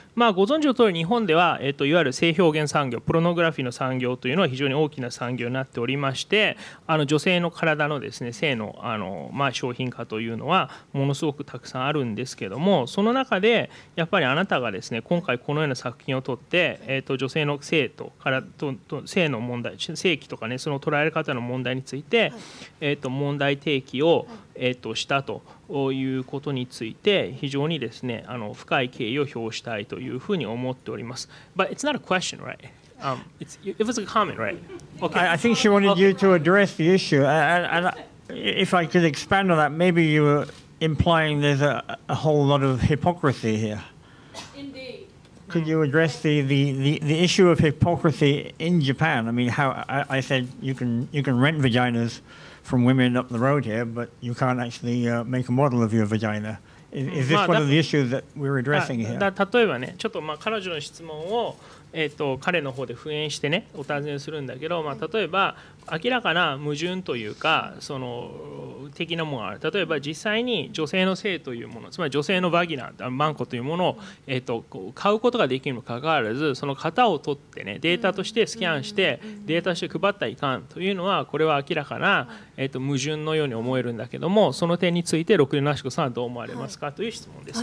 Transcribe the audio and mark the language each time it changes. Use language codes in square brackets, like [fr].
[ja] ご存知の通り、日本では、いわゆる性表現産業、プロノグラフィーの産業というのは非常に大きな産業になっておりまして、女性の体のですね、性の、商品化というのはものすごくたくさんあるんですけども、その中でやっぱりあなたがですね、今回このような作品を撮って、女性の性と性の問題、性器とかね、その捉え方の問題について、問題提起をしたということについて非常にですね、深い敬意を表したいというふうに思っております。 [en] But it's not a question, right? It was a comment, right? Okay. I think she wanted you to address the issue. And if I could expand on that, maybe you were implying there's a whole lot of hypocrisy here. Indeed. Could you address the issue of hypocrisy in Japan? I mean, how I said you can rent vaginas from women up the road here, but you can't actually make a model of your vagina. Is this one of the issues that we're addressing here? [ja] 例えばね、ちょっと彼女の質問を彼の方で敷衍してね、お尋ねするんだけど、例えば明らかな矛盾というか、その的なものがある。例えば実際に女性の性というもの、つまり女性のバギナ、マンコというものを買うことができるにもかかわらず、その型を取ってね、データとしてスキャンしてデータとして配ったらいかんというのは、これは明らかな矛盾のように思えるんだけども、その点についてRokudenashikoさんはどう思われますかという質問です。